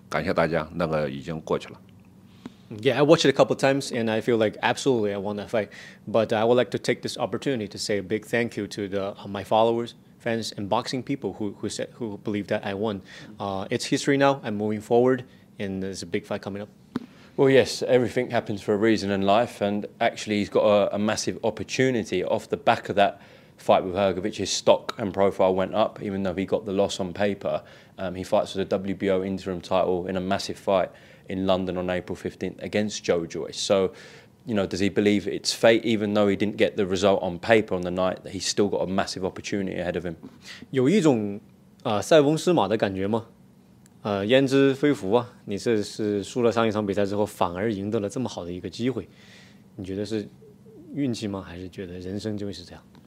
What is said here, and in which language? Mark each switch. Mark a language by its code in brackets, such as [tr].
[zh] 对我的认可，然后我知道大家都在为我鸣不平，但是感谢大家，那个已经过去了。Yeah, [en] I watched it a couple of times, and I feel like absolutely I won that fight. But I would like to take this opportunity to say a big thank you to my followers, fans, and boxing people who believe that I won. It's history now. I'm moving forward, and there's a big fight coming up. Well, yes, everything happens for a reason in life, and actually he's got a massive opportunity off the back of that. Fight with Hergovic, his stock and profile went up, even though he got the loss on paper. He fights for the WBO interim title in a massive fight in London on April 15th against Joe Joyce. So, you know, does he believe it's fate, even though he didn't get the result on paper on the night, that he's still got a massive opportunity ahead of him? [zh] 有一种塞翁失马的感觉吗？焉知非福啊，你是输了上一场比赛之后反而赢得了这么好的一个机会，你觉得是运气吗？还是觉得人生就是这样？